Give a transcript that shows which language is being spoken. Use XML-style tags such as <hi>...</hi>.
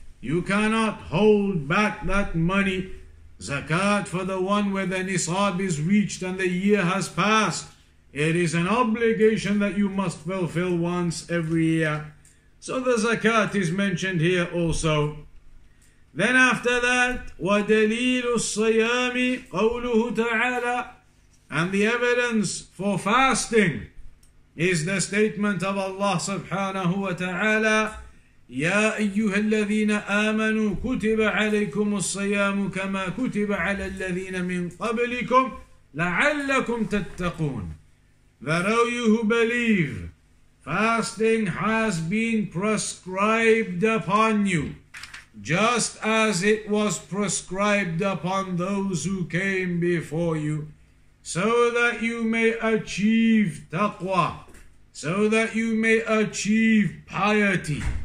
<en>You cannot hold back that money. Zakat for the one where the nisab is reached and the year has passed. It is an obligation that you must fulfill once every year. So the zakat is mentioned here also. Then after that,</en> <ar>وَدَلِيلُ الصَّيَامِ قَوْلُهُ تَعَالَى.</ar> <en>And the evidence for fasting is the statement of Allah subhanahu wa ta'ala,</en> <ar>يا أيها الذين آمنوا كتب عليكم الصيام كما كتب على الذين من قبلكم لعلكم تتقون.</ar> <en>That O you who believe, fasting has been prescribed upon you, just as it was prescribed upon those who came before you, so that you may achieve taqwa, so that you may achieve piety.</en>